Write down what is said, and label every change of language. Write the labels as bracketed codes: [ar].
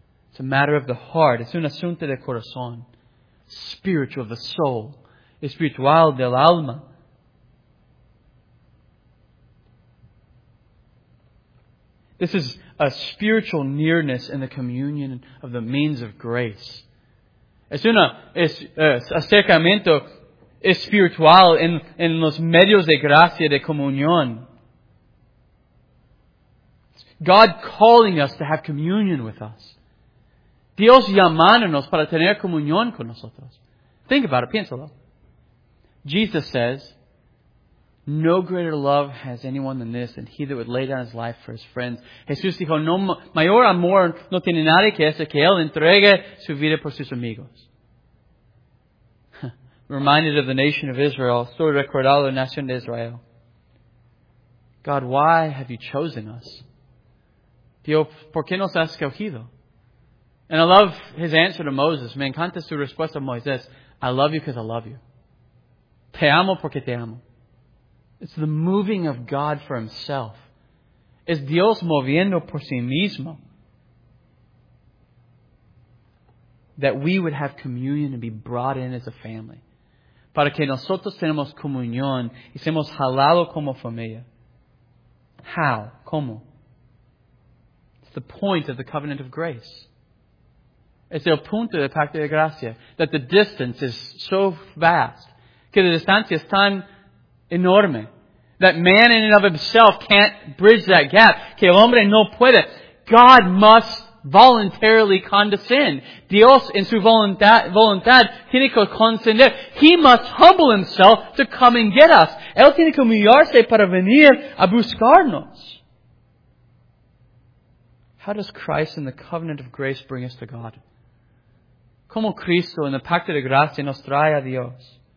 [en] It's a matter of the heart. [es] Es un asunto de corazón. [en] Spiritual, the soul. [es] Espiritual, del alma. [en] This is a spiritual nearness in the communion of the means of grace. [es] Es acercamiento espiritual en los medios de gracia de comunión. [en] God calling us to have communion with us. [es] Dios llamándonos para tener comunión con nosotros. [en] Think about it, [es] piénsalo. [en] Jesus says, no greater love has anyone than this than he that would lay down his life for his friends. [es] Jesús dijo, no mayor amor no tiene nadie que ese que él entregue su vida por sus amigos. [en] Reminded of the nation of Israel, [es] estoy recordado la nación de Israel. [en] God, why have you chosen us? [es] Dios, ¿por qué nos has escogido? [en] And I love his answer to Moses. [es] Me encanta su respuesta a Moisés. [en] I love you because I love you. [es] Te amo porque te amo. [en] It's the moving of God for himself. [es] Es Dios moviendo por sí mismo. [en] That we would have communion and be brought in as a family. [es] Para que nosotros tenemos comunión y seamos jalados como familia. [en] How? [es] ¿Cómo? [en] It's the point of the covenant of grace. [es] Es el punto del pacto de gracia. [en] That the distance is so vast. [es] Que la distancia es tan enorme. [en] That man in and of himself can't bridge that gap. [es] Que el hombre no puede. [en] God must voluntarily condescend. [es] Dios en su voluntad tiene que condescender. [en] He must humble himself to come and get us. [es] Él tiene que humillarse para venir a buscarnos. [en] How does Christ in the covenant of grace bring us to God? [es] Como Cristo en el pacto de gracia nos trae a Dios.